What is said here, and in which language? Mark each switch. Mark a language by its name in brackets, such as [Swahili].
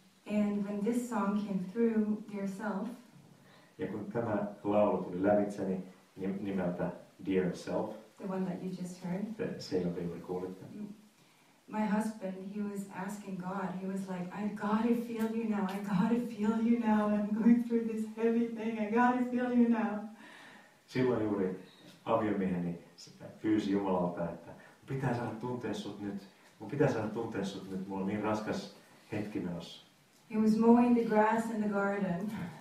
[English] And when this song came through yourself. [Finnish] Ja kun tämä laulu tuli lävitseni, nimeltä Dear Self. [English] The one that you just heard. The same thing we call it. Then. My husband, he was asking God, he was like, I gotta feel you now, I gotta feel you now, I'm going through this heavy thing, I gotta feel you now. [Finnish] Silloin juuri aviomieheni pyysi Jumalalta, että pitää saada tuntea sut nyt, mun pitää saada tuntea sut nyt, mulla on niin raskas hetki menossa. [English] He was mowing the grass in the garden.